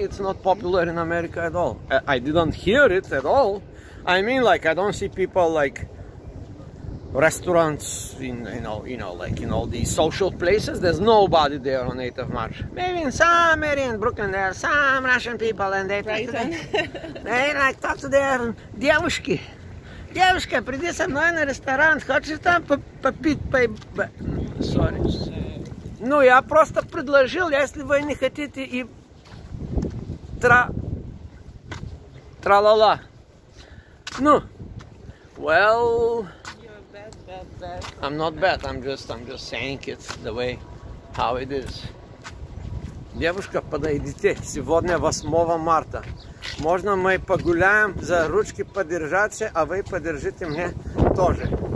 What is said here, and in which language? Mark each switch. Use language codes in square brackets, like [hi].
[en] It's not popular in America at all. I didn't hear it at all. I mean, like, I don't see people like restaurants in, you know, like in all these social places, there's nobody there on 8th of March. Maybe in Brooklyn, there are some Russian people and they talk to them. They like talk to their [ru] девушки. Девушка, приди со мной на ресторан, хочешь там попить, [en] Sorry. [ru] Ну, я просто предложил, если вы не хотите и... Тра-ла-ла. Ну, [en] well... You're bad. I'm not bad, I'm just saying it the way, how it is. [ru] Девушка, подойдите, сегодня 8 марта. Можно мы погуляем, за ручки подержаться, а вы подержите мне тоже.